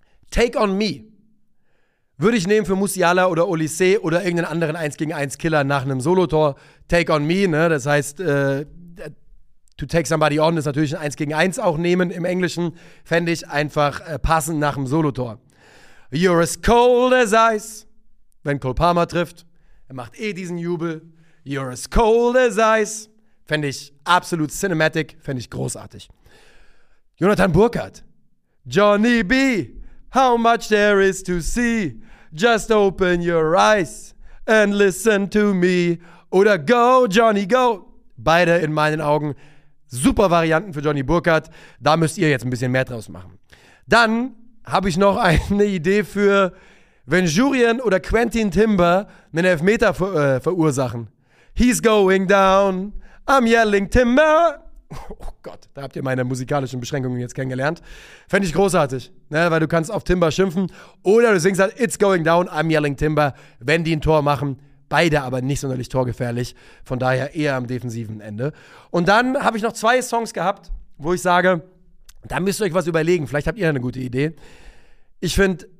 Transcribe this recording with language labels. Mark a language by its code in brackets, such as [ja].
[de] Take on Me würde ich nehmen für Musiala oder Olise oder irgendeinen anderen 1-gegen-1-Killer nach einem Solotor. Take on Me, ne? Das heißt, [en] to take somebody on [de] ist natürlich ein 1-gegen-1 auch nehmen im Englischen. Fände ich einfach passend nach einem Solotor. [en] You're as cold as ice, [de] wenn Cole Palmer trifft. Er macht eh diesen Jubel. [en] You're as cold as ice. [de] Fände ich absolut cinematic. Fände ich großartig. Jonathan Burkhardt. [en] Johnny B. How much there is to see. Just open your eyes and listen to me. [de] Oder [en] go, Johnny, go. [de] Beide in meinen Augen super Varianten für Johnny Burkhardt. Da müsst ihr jetzt ein bisschen mehr draus machen. Dann habe ich noch eine Idee für... Wenn Jurien oder Quentin Timber einen Elfmeter verursachen. [en] He's going down, I'm yelling Timber. [de] Oh Gott, da habt ihr meine musikalischen Beschränkungen jetzt kennengelernt. Fände ich großartig, ne, weil du kannst auf Timber schimpfen. Oder du singst halt, [en] it's going down, I'm yelling Timber, [de] wenn die ein Tor machen. Beide aber nicht sonderlich torgefährlich. Von daher eher am defensiven Ende. Und dann habe ich noch zwei Songs gehabt, wo ich sage, da müsst ihr euch was überlegen. Vielleicht habt ihr eine gute Idee. Ich finde...